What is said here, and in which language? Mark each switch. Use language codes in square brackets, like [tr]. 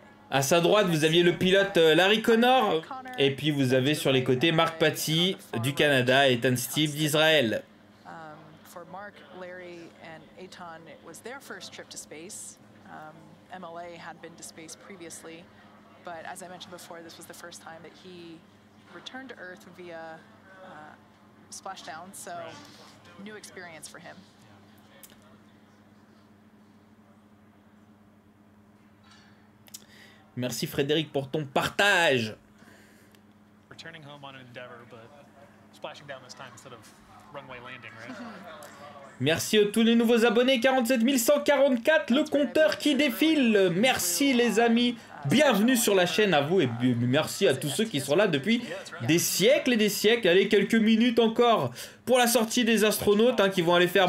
[fr] À sa droite, vous aviez le pilote Larry Connor. Et puis, vous avez sur les côtés Mark Patti du Canada et Ethan Steve d'Israël. Pour Mark, Larry et Eitan, c'était leur premier [en] trip to space. MLA had been to space previously, but as I mentioned before, this was the first time that he returned to Earth via splashdown, so new experience for him. [fr] Merci Frédéric pour ton partage. [en] Returning home on an Endeavour, but splashing down this time instead of runway landing, right? [fr] Merci à tous les nouveaux abonnés, 47 144, le compteur qui défile. Merci les amis Bienvenue sur la chaîne à vous et merci à tous ceux qui sont là depuis des siècles et des siècles. Allez, quelques minutes encore pour la sortie des astronautes hein, qui vont aller faire.